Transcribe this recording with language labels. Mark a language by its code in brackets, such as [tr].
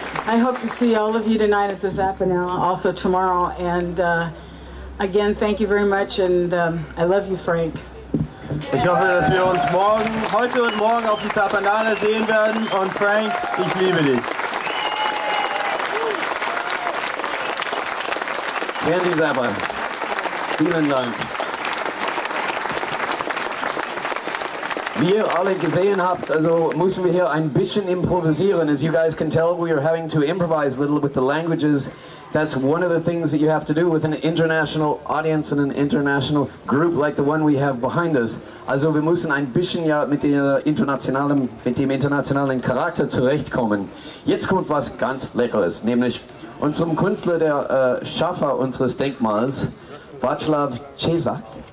[en] I hope to see all of you tonight at the Zappa now, also tomorrow, and again, thank you very much, and I love you, Frank. [de] Ich hoffe, dass wir uns morgen, heute und morgen auf die Zappanale sehen werden, und Frank, ich liebe dich. Vielen Dank, Zappa. Vielen Dank. Wie ihr alle gesehen habt, also müssen wir hier ein bisschen improvisieren. [en] As you guys can tell, we are having to improvise a little with the languages. That's one of the things that you have to do with an international audience and an international group like the one we have behind us. [de] Also wir müssen ein bisschen ja mit dem internationalen Charakter zurechtkommen. Jetzt kommt was ganz Leckeres, nämlich unserem Künstler, der Schaffer unseres Denkmals, Václav Čezák.